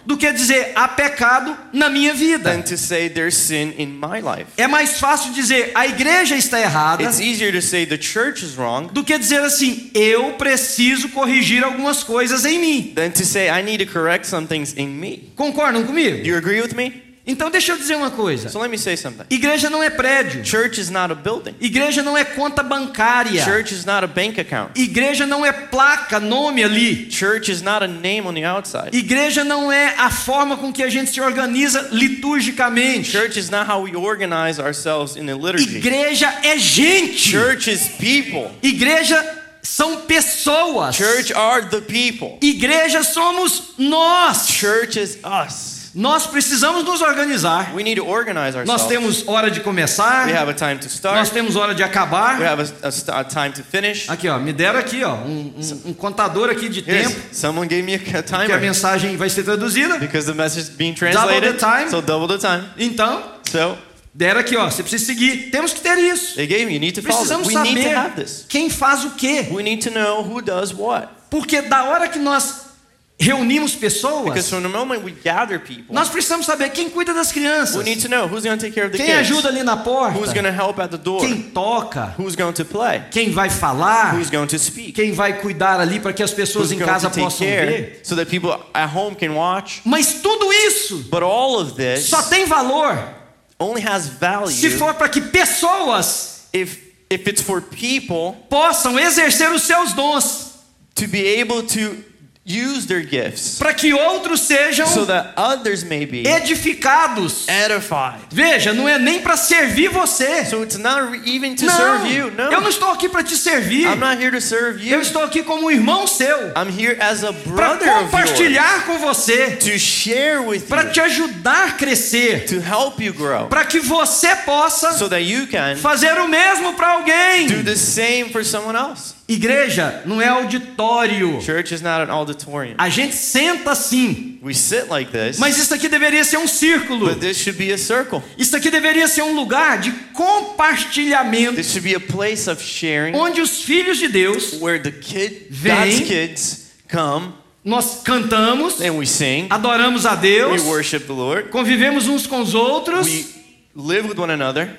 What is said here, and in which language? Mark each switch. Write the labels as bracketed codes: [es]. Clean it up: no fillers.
[pt] do que dizer há pecado na minha vida. [en] Than to say there's sin in my life. [pt] É mais fácil dizer a igreja está errada, [en] it's easier to say the church is wrong, [pt] do que dizer assim, eu preciso corrigir algumas coisas em mim. [en] Than to say I need to correct some things in me. [pt] Concordam comigo? [en] Do you agree with me? [pt] Então deixa eu dizer uma coisa. [en] So let me say something. [pt] Igreja não é prédio. [en] Church is not a building. [pt] Igreja não é conta bancária. [en] Church is not a bank account. [pt] Igreja não é placa, nome ali. [en] Church is not a name on the outside. [pt] Igreja não é a forma com que a gente se organiza liturgicamente. [en] Church is not how we organize ourselves in the liturgy. [pt] Igreja é gente. [en] Church is people. [pt] Igreja são pessoas. [en] Church are the people. [pt] Igreja somos nós. [en] Church is us. [pt] Nós precisamos nos organizar. [en] We need to organize ourselves. [pt] Nós temos hora de começar. [en] We have a time to start. [pt] Nós temos hora de acabar. [en] We have a time to finish. [pt] Aqui, ó, me deram aqui, ó, um contador aqui de tempo. [en] Yes. Someone gave me a timer. [pt] Porque a mensagem vai ser traduzida. [en] Because the message is being translated. Double the time. So double the time. [pt] Então, [en] so, [pt] deram aqui, ó, você precisa seguir. Temos que ter isso. [en] They gave me, you need to follow. [pt] Precisamos [en] we [pt] saber [en] need to have this. [pt] Quem faz o quê? [en] We need to know who does what. [pt] Porque da hora que nós reunimos pessoas, [en] because from the moment we gather people, [pt] nós precisamos saber quem cuida das crianças. [en] We need to know who's going to take care of the [pt] quem [en] kids. [pt] Quem ajuda ali na porta? [en] Who's going to help at the door? [pt] Quem toca? [en] Who's going to play? [pt] Quem vai falar? [en] Who's going to speak? [pt] Quem vai cuidar ali para que as pessoas [en] who's [pt] em casa [en] going to [pt] possam [en] take care [pt] ver? [en] So that people at home can watch. [pt] Mas tudo isso, [en] but all of this, [pt] só tem valor, [en] only has value, [pt] se for para que pessoas, [en] if it's for people, [pt] possam exercer os seus dons, [en] to be able to use their gifts, [pt] para que outros sejam, [en] so that others may be [pt] edificados, [en] edified. [pt] Veja, não é nem para servir você. [en] So it's not even to [pt] não, [en] serve you. No, [pt] eu não estou aqui para te servir. [en] I'm not here to serve you. [pt] Eu estou aqui como irmão seu. [en] I'm here as a brother. [pt] Para compartilhar [en] of yours, [pt] com você. [en] To share with you. [pt] Para te ajudar a crescer. [en] To help you grow. [pt] Para que você possa, [en] so that you can, [pt] fazer o mesmo para alguém. [en] Do the same for someone else. [pt] Igreja não é auditório. [en] Church is not an auditorium. [pt] A gente senta assim. [en] We sit like this. [pt] Mas isso aqui deveria ser um círculo. [en] But this should be a circle. [pt] Isso aqui deveria ser um lugar de compartilhamento. [en] This should be a place of sharing. [pt] Onde os filhos de Deus, [en] where the kid, [pt] vem, [en] God's kids come. [pt] Nós cantamos. [en] And we sing. [pt] Adoramos a Deus. [en] We worship the Lord. [pt] Convivemos uns com os outros. [en] We live with one another,